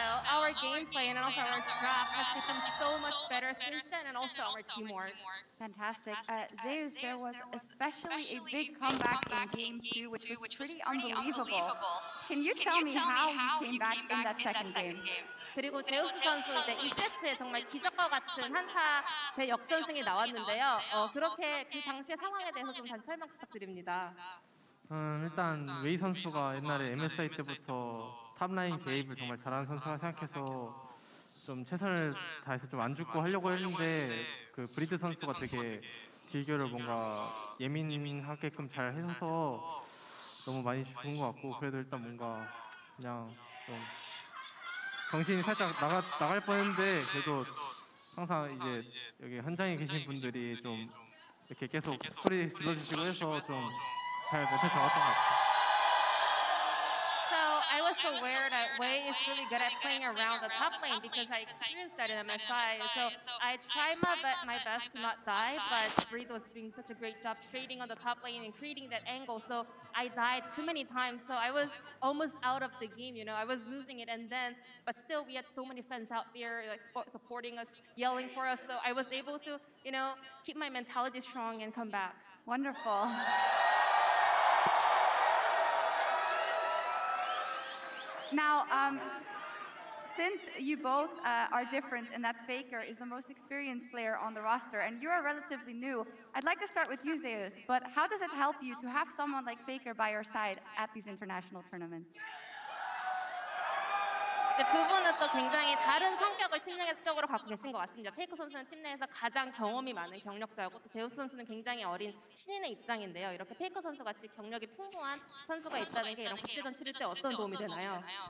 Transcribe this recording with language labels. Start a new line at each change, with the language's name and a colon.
English: Our gameplay and also our draft has become so much better since then, and also our teamwork. Fantastic. Zeus, there was especially a big comeback in game two, which was pretty unbelievable. Can you tell me how you came back in that second game?
Korean: 그리고 제우스 선수 이제 이 세트에 정말 기적과 같은 한타 대 역전승이 나왔는데요. 그렇게 그 당시의 상황에 대해서 좀 다시 설명 부탁드립니다. 일단 웨이 선수가 옛날에 MSI 때부터 탑라인 개입을 정말 잘하는 선수라 생각해서 좀 최선을 다해서 좀 안 죽고 하려고 했는데, 그 브리드 선수가 되게 딜교를 뭔가 예민하게끔 잘 해서 너무 많이 좋은 것 같고, 그래도 일단 뭔가 그냥 좀 정신이 살짝 나갈 뻔했는데, 그래도 항상 이제 여기 현장에 계신 분들이 좀 이렇게 계속 소리 질러주시고 해서 좀 잘 메시지 잡았던 것 같아요.
English: I was aware that Wei is really good at playing around the top lane because I experienced that in MSI. So I tried my best to not die, but Breed was doing such a great job trading on the top lane and creating that angle. So I died too many times, so I was almost out of the game, you know. I was losing it, and then, but still we had so many fans out there like supporting us, yelling for us. So I was able to, you know, keep my mentality strong and come back. Wonderful. Now, since you both are different in that Faker is the most experienced player on the roster and you are relatively new, I'd like to start with you, Zeus, but how does it help you to have someone like Faker by your side at these international tournaments?
Korean: 두 분은 또 굉장히 다른 성격을 팀 내에서 쪽으로 갖고 계신 것 같습니다. 페이커 선수는 팀 내에서 가장 경험이 많은 경력자고, 또 제우스 선수는 굉장히 어린 신인의 입장인데요. 이렇게 페이커 선수 같이 경력이 풍부한 선수가 있다는 게 이런 국제전 치를 때 어떤 도움이 되나요?